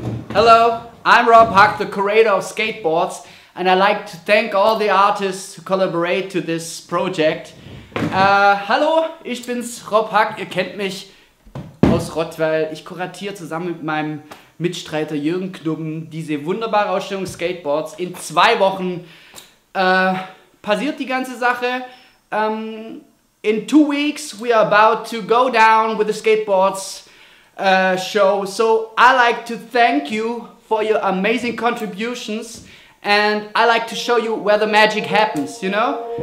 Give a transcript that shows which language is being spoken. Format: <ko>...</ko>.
<en>Hello, I'm Rob Huck, the curator of skateboards, and I'd like to thank all the artists who collaborate to this project.</en> <de>Hallo, ich bin's, Rob Huck, ihr kennt mich aus Rottweil. Ich kuratiere zusammen mit meinem Mitstreiter Jürgen Knubben diese wunderbare Ausstellung Skateboards. In 2 Wochen passiert die ganze Sache.</de> <en>In 2 weeks we are about to go down with the skateboards show. So I like to thank you for your amazing contributions, and I like to show you where the magic happens, you know?</en>